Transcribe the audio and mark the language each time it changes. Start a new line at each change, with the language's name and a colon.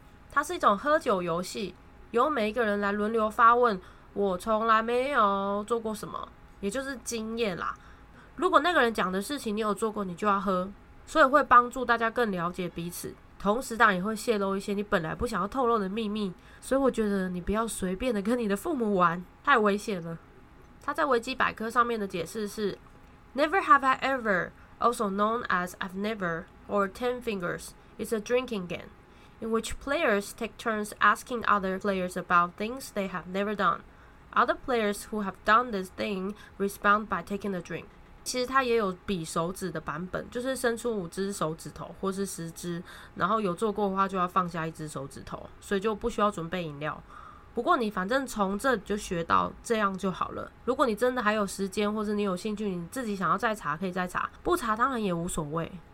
Chinese: 它是一种喝酒游戏，由每一个人来轮流发问我从来没有做过什么，也就是经验啦。如果那个人讲的事情你有做过，你就要喝，所以会帮助大家更了解彼此，同时当然也会泄露一些你本来不想要透露的秘密。所以我觉得你不要随便的跟你的父母玩，太危险了。他在维基百科上面的解释是
English: Never have I ever, also known as I've never or ten fingers, is a drinking game in which players take turns asking other players about things they have never doneOther players who have done this thing respond by taking a drink.
Chinese: 其实它也有比手指的版本，就是伸出五只手指头或是十只，然后有做过的话就要放下一只手指头，所以就不需要准备饮料。不过你反正从这就学到这样就好了。如果你真的还有时间或是你有兴趣，你自己想要再查可以再查，不查当然也无所谓。